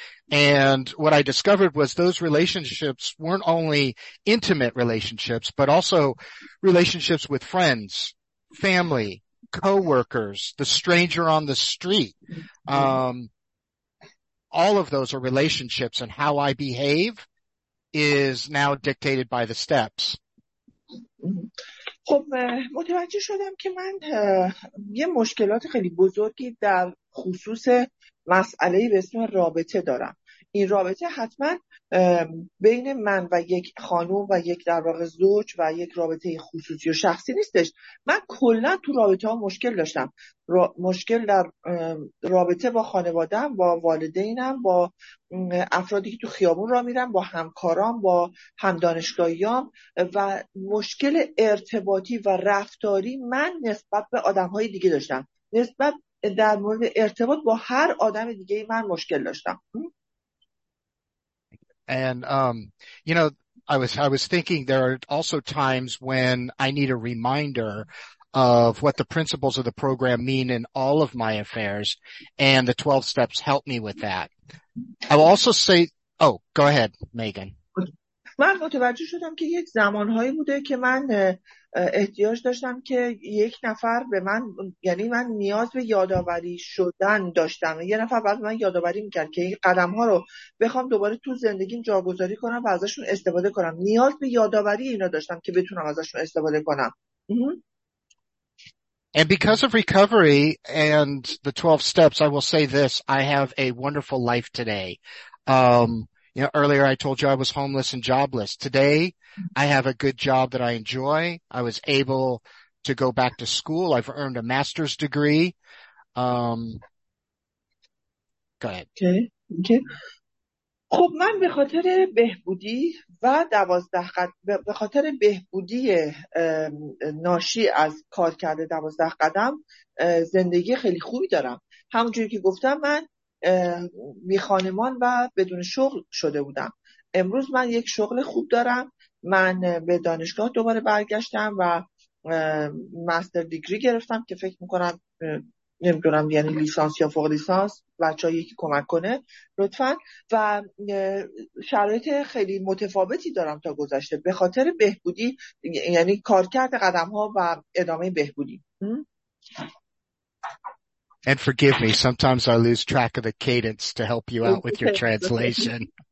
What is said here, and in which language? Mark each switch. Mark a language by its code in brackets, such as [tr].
[en] And what I discovered was those relationships weren't only intimate relationships, but also relationships with friends, family, coworkers, the stranger on the street. All of those are relationships, and how I behave is now dictated by the steps. [fa] خب متوجه شدم که من یه مشکلات خیلی بزرگی در خصوص مسئله به اسم رابطه دارم. این رابطه حتما بین من و یک خانوم و یک در واقع زوج و یک رابطه خصوصی و شخصی نیستش. من کلا تو رابطه ها مشکل داشتم. مشکل در رابطه با خانواده‌ام، با والدینم، با افرادی که تو خیابون را میرم، با همکارام، با همدانشگاهیام و مشکل ارتباطی و رفتاری من نسبت به آدم‌های دیگه داشتم. نسبت در مورد ارتباط با هر آدم دیگه من مشکل داشتم. [en] And you know, I was thinking there are also times when I need a reminder of what the principles of the program mean in all of my affairs, and the 12 steps help me with that. I will also say, oh, go ahead, Megan. [fa] من متوجه شدم که یک زمانهایی بوده که من احتیاج داشتم که یک نفر به من، یعنی من نیاز به یادآوری شدن داشتم، یه نفر بعد من یادآوری میکرد که این قدم ها رو بخوام دوباره تو زندگیم جاگذاری کنم و ازشون استفاده کنم. نیاز به یادآوری اینا داشتم که بتونم ازشون استفاده کنم. [en] And because of recovery and the 12 steps, I will say this, I have a wonderful life today. You know, earlier I told you I was homeless and jobless. Today I have a good job that I enjoy. I was able to go back to school. I've earned a master's degree. Go ahead. Okay. [fa] خب من به خاطر بهبودی و 12 قدم به خاطر بهبودی ناشی از کار کرده 12 قدم زندگی خیلی خوبی دارم. همونجوری که گفتم من میخانمان و بدون شغل شده بودم. امروز من یک شغل خوب دارم. من به دانشگاه دوباره برگشتم و مستر دیگری گرفتم که فکر میکنم نمیدونم یعنی لیسانس یا فوق لیسانس، بچه هایی که کمک کنه لطفا. و شرایط خیلی متفاوتی دارم تا گذشته به خاطر بهبودی، یعنی کارکرد قدم ها و ادامه بهبودی. [en] And forgive me, sometimes I lose track of the cadence to help you out with your translation.